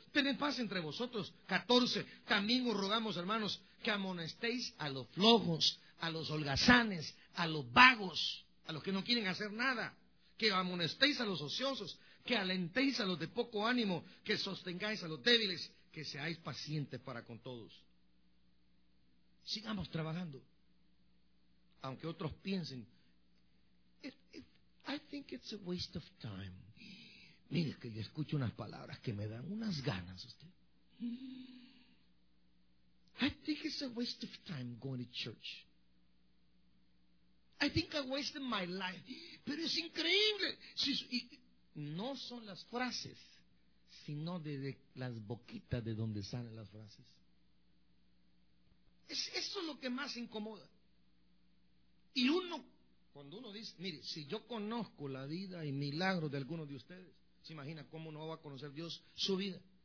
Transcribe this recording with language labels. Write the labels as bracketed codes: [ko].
[es] Tened paz entre vosotros. 14. También os rogamos, hermanos, que amonestéis a los flojos, a los holgazanes, a los vagos, a los que no quieren hacer nada. Que amonestéis a los ociosos, que alentéis a los de poco ánimo, que sostengáis a los débiles, que seáis pacientes para con todos. Sigamos trabajando. Aunque otros piensen, [en] I think it's a waste of time. [es] Mire, que yo escucho unas palabras que me dan unas ganas. Usted. [en] I think it's a waste of time going to church. I think I wasted my life. [es] Pero es increíble. Si, y, no son las frases, sino de las boquitas de donde salen las frases. Eso es lo que más incomoda. Y uno, cuando uno dice, mire, si yo conozco la vida y milagros de algunos de ustedes, ¿se imagina cómo no va a conocer Dios su vida?